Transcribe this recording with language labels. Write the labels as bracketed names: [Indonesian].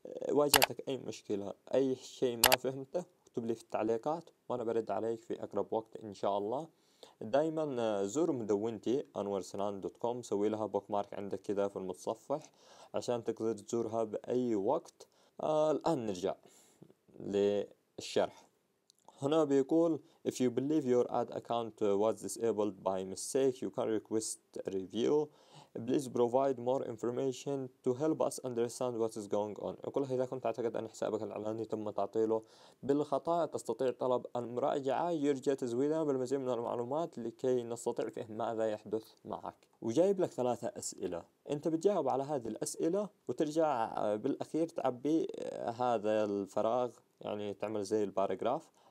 [Arabic] واجهتك أي مشكلة أي شيء ما فهمته اكتب لي في التعليقات وأنا برد عليك في أقرب وقت إن شاء الله. دائما زور مدونتي anwersenan.com، سوي لها بوكمارك عندك كذا في المتصفح عشان تقدر تزورها بأي وقت. الآن نرجع للشرح. هنا بيقول [English] if you believe your ad account was disabled by mistake you can request a review please provide more information to help us understand what is going on. [Arabic] يقول إذا كنت تعتقد أن حسابك الإعلاني تم تعطيله بالخطأ تستطيع طلب المراجعة، يرجى تزويدها بالمزيد من المعلومات لكي نستطيع فهم ماذا يحدث معك. وجايب لك 3 أسئلة، أنت بتجاوب على هذه الأسئلة وترجع بالأخير تعبي هذا الفراغ، يعني تعمل زي الباراجراف.